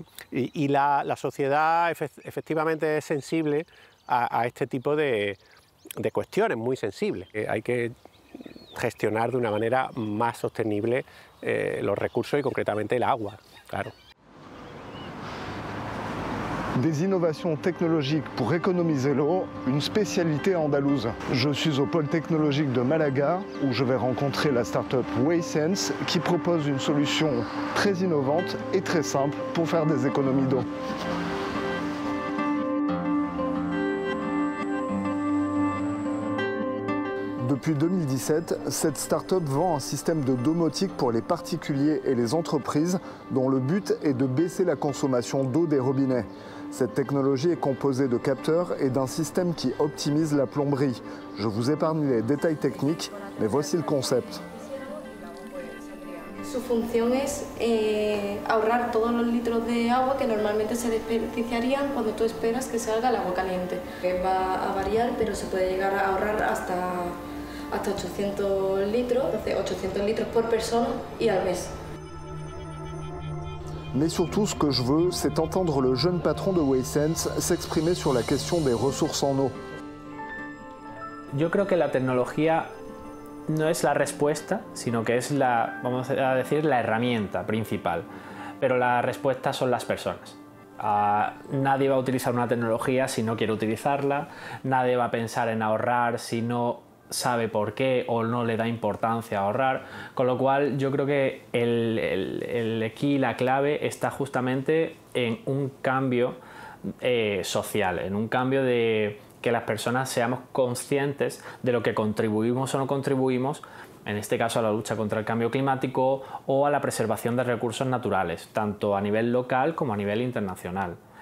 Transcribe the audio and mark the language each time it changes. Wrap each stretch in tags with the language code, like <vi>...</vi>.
<es>Y la sociedad efectivamente es sensible a este tipo de cuestiones, muy sensible. Hay que gestionar de una manera más sostenible los recursos y concretamente el agua, claro.</es> <fr>Des innovations technologiques pour économiser l'eau, une spécialité andalouse. Je suis au pôle technologique de Malaga, où je vais rencontrer la start-up Waysense, qui propose une solution très innovante et très simple pour faire des économies d'eau. Depuis 2017, cette start-up vend un système de domotique pour les particuliers et les entreprises, dont le but est de baisser la consommation d'eau des robinets. Cette technologie est composée de capteurs et d'un système qui optimise la plomberie. Je vous épargne les détails techniques, mais voici le concept.</fr> <es>Su función es ahorrar todos los litros de agua que normalmente se desperdiciarían cuando tú esperas que salga el agua caliente. Va a variar, pero se puede llegar a ahorrar hasta 800 litros, 800 litros por persona y al mes.</es> <fr>Mais surtout, ce que je veux, c'est entendre le jeune patron de Waysense s'exprimer sur la question des ressources en eau.</fr> <es>Yo creo que la tecnología no es la respuesta, sino que es la, vamos a decir, la herramienta principal. Pero la respuesta son las personas. Nadie va a utilizar una tecnología si no quiere utilizarla. Nadie va a pensar en ahorrar si no sabe por qué o no le da importancia ahorrar, con lo cual yo creo que la clave está justamente en un cambio social, en un cambio de que las personas seamos conscientes de lo que contribuimos o no contribuimos, en este caso a la lucha contra el cambio climático o a la preservación de recursos naturales, tanto a nivel local como a nivel internacional.</es>